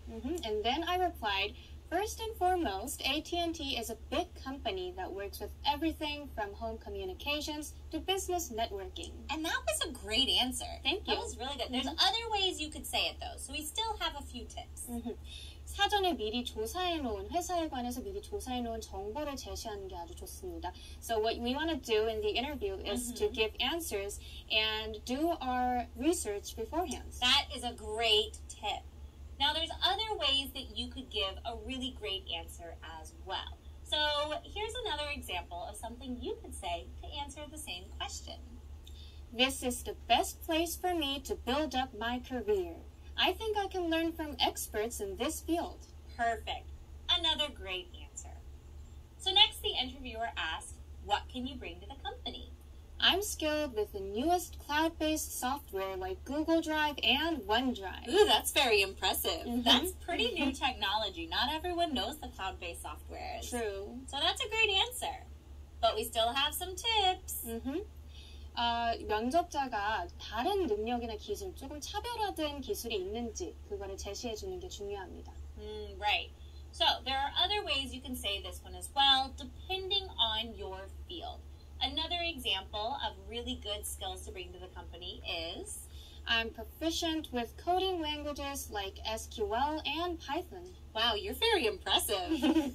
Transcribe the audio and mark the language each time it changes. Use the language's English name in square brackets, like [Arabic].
[English] Mm-hmm. And then I replied, first and foremost, AT&T is a big company that works with everything from home communications to business networking. And that was a great answer. Thank you. That was really good. There's mm-hmm. other ways you could say it, though, so we still have a few tips. Mm-hmm. [Korean] 사전에 미리 조사해 놓은 회사에 관해서 미리 조사해 놓은 정보를 제시하는 게 아주 좋습니다. [English] So what we want to do in the interview is mm-hmm. to give answers and do our research beforehand. That is a great tip. Now there's other ways that you could give a really great answer as well. So here's another example of something you could say to answer the same question. This is the best place for me to build up my career. I think I can learn from experts in this field. Perfect. Another great answer. So next, the interviewer asks, what can you bring to the company? I'm skilled with the newest cloud-based software like Google Drive and OneDrive. Ooh, that's very impressive. Mm-hmm. That's pretty new technology. Not everyone knows the cloud-based software. True. So that's a great answer. But we still have some tips. Mm-hmm. [Korean] 면접자가 다른 능력이나 기술, 조금 차별화된 기술이 있는지 그거를 제시해 주는 게 중요합니다. [English] Right. So there are other ways you can say this one as well, depending on your field. Another example of really good skills to bring to the company is I'm proficient with coding languages like SQL and Python. Wow, you're very impressive.